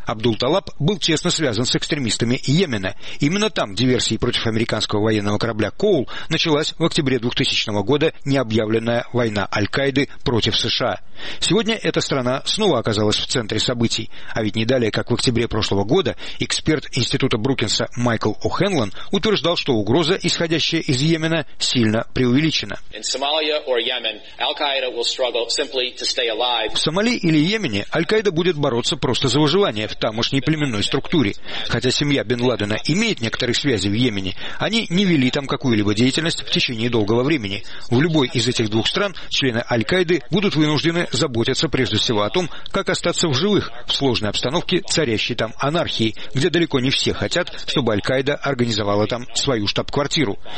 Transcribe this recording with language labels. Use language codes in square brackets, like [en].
[ru] Абдул-Талаб был тесно связан с экстремистами Йемена. Именно там диверсии против американского военного корабля «Коул» началась в октябре 2000 года необъявленная война Аль-Каиды против США. Сегодня эта страна снова оказалась в центре событий. А ведь не далее, как в октябре прошлого года, эксперт Института Брукинса Майкл О'Хенлон утверждал, что угроза, исходящая из Йемена, сильно преувеличена. [en] In Somalia or Yemen, Al-Qaeda will struggle simply to stay alive. [ru] В Сомали или Йемене Аль-Каида будет бороться просто за выживание в тамошней племенной структуре. Хотя семья Бен Ладена имеет некоторые связи в Йемене, они не вели там какую-либо деятельность в течение долгого времени. В любой из этих двух стран члены Аль-Каиды будут вынуждены заботиться прежде всего о том, как остаться в живых в сложной обстановке, царящей там анархии, где далеко не все хотят, чтобы Аль-Каида организовала там свою штаб-квартиру.